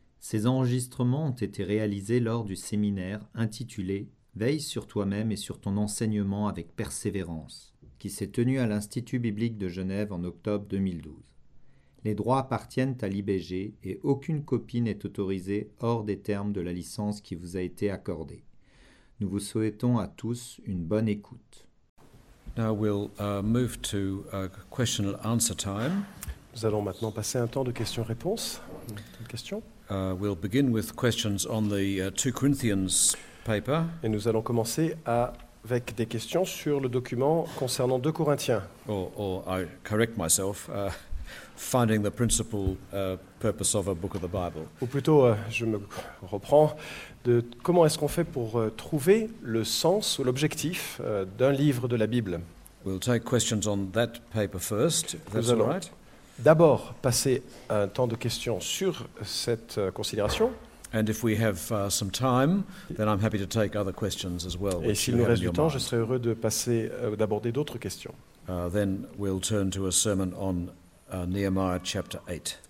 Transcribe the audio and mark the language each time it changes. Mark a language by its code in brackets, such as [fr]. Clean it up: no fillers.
[fr] Ces enregistrements ont été réalisés lors du séminaire intitulé Veille sur toi-même et sur ton enseignement avec persévérance, qui s'est tenu à l'Institut biblique de Genève en octobre 2012. Les droits appartiennent à l'IBG et aucune copie n'est autorisée hors des termes de la licence qui vous a été accordée. Nous vous souhaitons à tous une bonne écoute. [en] Now we'll move to question and answer time. [fr] Nous allons maintenant passer un temps de questions-réponses. [en] We'll begin with questions on the 2 Corinthians paper. [fr] Et nous allons commencer avec des questions sur le document concernant 2 Corinthiens. [en] Or I correct myself, finding the principal purpose of a book of the Bible. [fr] Ou plutôt, je me reprends, de comment est-ce qu'on fait pour trouver le sens ou l'objectif d'un livre de la Bible. [en] We'll take questions on that paper first, if that's all right. [fr] D'abord, passer un temps de questions sur cette considération. [en] And if we have some time, then I'm happy to take other questions as well. [fr] Et s'il nous reste du temps, je serai heureux de passer d'aborder d'autres questions. [en] Then we'll turn to a sermon on Nehemiah chapter 8.